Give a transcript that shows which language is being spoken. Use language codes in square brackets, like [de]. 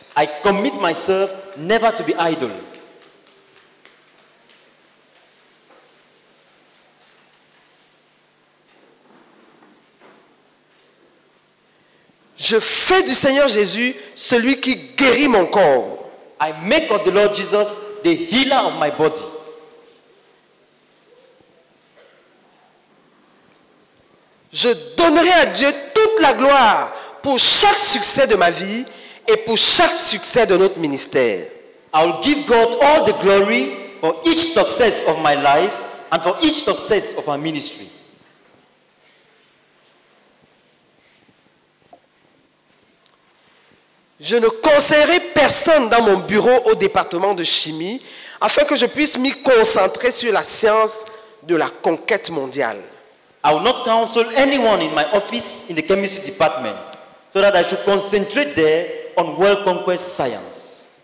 [en] I commit myself never to be idle. [fr] Je fais du Seigneur Jésus celui qui guérit mon corps. [en] I make of the Lord Jesus the healer of my body. [fr] Je donnerai à Dieu toute la gloire pour chaque succès de ma vie et pour chaque succès de notre ministère. [en] I will give God all the glory for each success of my life and for each success of our ministry. [fr] Je ne conseillerai personne dans mon bureau au département de chimie afin que je puisse m'y concentrer sur la science de la conquête mondiale. [en] I will not counsel anyone in my office in the chemistry department so that I should concentrate there on world conquest science.